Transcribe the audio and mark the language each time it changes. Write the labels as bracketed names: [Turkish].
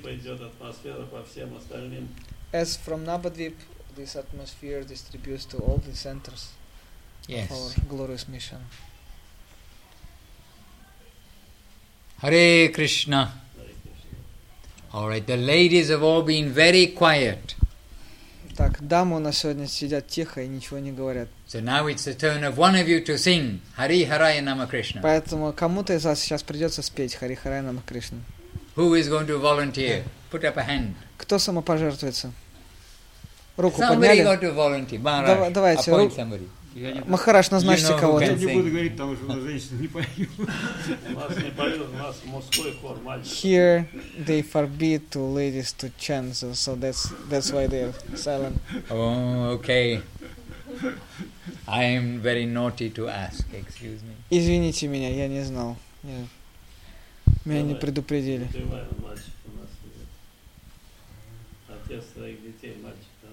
[Russian] Пойдет атмосфера по всем остальным. [English] As from Nabadvip, this atmosphere distributes to all the centers of our glorious mission. Hare Krishna. All right, the ladies have all been very quiet. [Russian] Так, дамы у нас сегодня сидят тихо и ничего не говорят. [English] So now it's the turn of one of you to sing Hari Haraya Nama Krishna. [Russian] Поэтому кому-то из вас сейчас придется спеть Hari Haraya Nama Krishna. [English] Who is going to volunteer? Put up a hand. [Russian] Кто самопожертвуется? Руку [English] somebody [Russian] подняли? [English] Got to volunteer. Maharaj, [Russian] давайте. [English] Appoint somebody. [Russian] Махарадж, назначьте [English] you know, [Russian] кого-то. Я не буду говорить, потому что женщины не поют. У нас не поют, у нас мужской хор, мальчик. [English] Here they forbid to ladies to chant, so that's why they are silent. Okay. I'm very naughty to ask, excuse me. [Russian] Извините меня, я не знал. Меня не предупредили. Открывай, мальчик у нас нет. Отец своих детей, мальчик.